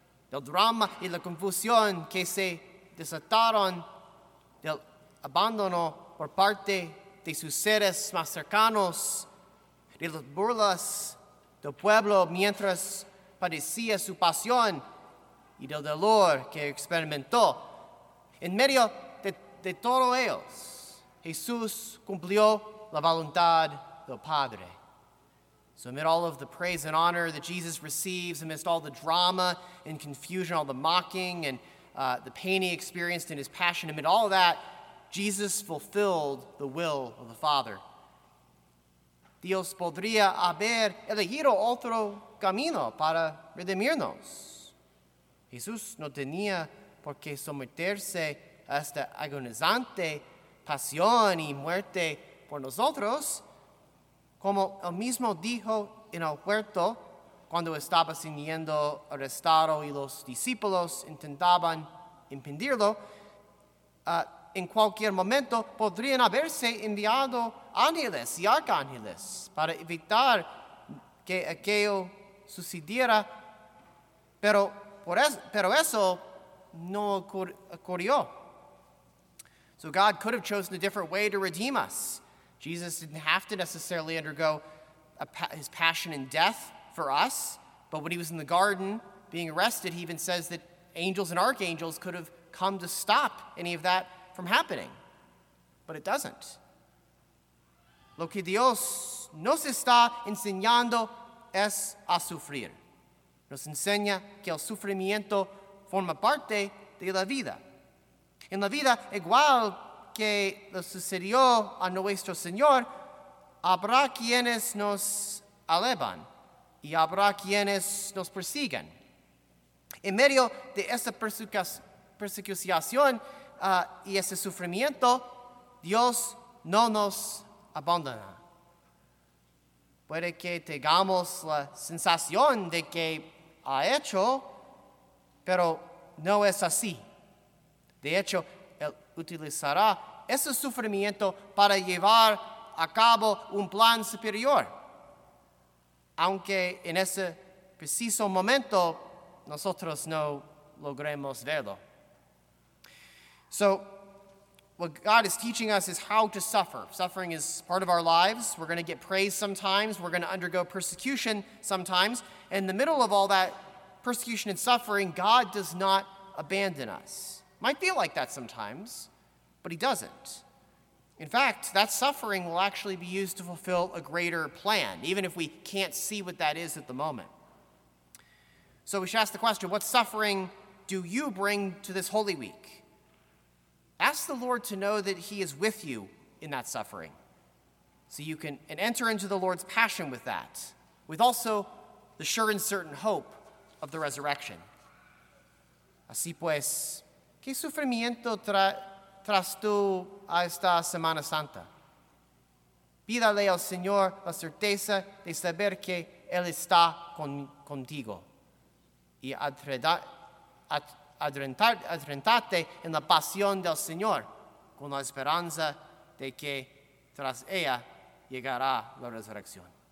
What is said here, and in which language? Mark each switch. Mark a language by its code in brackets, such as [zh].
[es] del drama y la confusión que se desataron del abandono por parte de sus seres más cercanos, de las burlas del pueblo mientras padecía su pasión y del dolor que experimentó. En medio de todo ellos, Jesús cumplió la voluntad del Padre. [en] So amid all of the praise and honor that Jesus receives, amidst all the drama and confusion, all the mocking and the pain he experienced in his passion, amid all of that, Jesus fulfilled the will of the Father. [es] Dios podría haber elegido otro camino para redimirnos. Jesús no tenía por qué someterse a esta agonizante pasión y muerte por nosotros, como él mismo dijo en el huerto cuando estaba siendo arrestado y los discípulos intentaban impedirlo. En cualquier momento podrían haberse enviado ángeles y arcángeles para evitar que aquello sucediera, pero eso no ocurrió. [en] So God could have chosen a different way to redeem us. Jesus didn't have to necessarily undergo his passion and death for us, but when he was in the garden being arrested, he even says that angels and archangels could have come to stop any of that from happening, but it doesn't. [es] Lo que Dios nos está enseñando es a sufrir. Nos enseña que el sufrimiento forma parte de la vida. En la vida, igual que lo sucedió a nuestro Señor, habrá quienes nos alaban y habrá quienes nos persiguen. En medio de esa persecución y ese sufrimiento, Dios no nos abandona. Puede que tengamos la sensación de que ha hecho, pero no es así. De hecho, Él utilizará ese sufrimiento para llevar a cabo un plan superior. Aunque en ese preciso momento nosotros no logremos verlo. [en] So, what God is teaching us is how to suffer. Suffering is part of our lives. We're going to get praise sometimes. We're going to undergo persecution sometimes. In the middle of all that persecution and suffering, God does not abandon us. Might feel like that sometimes, but he doesn't. In fact, that suffering will actually be used to fulfill a greater plan, even if we can't see what that is at the moment. So we should ask the question, what suffering do you bring to this Holy Week? Ask the Lord to know that he is with you in that suffering, so you can and enter into the Lord's passion with that, with also the sure and certain hope of the resurrection. [es] Así pues, ¿qué sufrimiento tras tú a esta Semana Santa? Pídale al Señor la certeza de saber que Él está contigo y adrentarte en la pasión del Señor con la esperanza de que tras ella llegará la resurrección.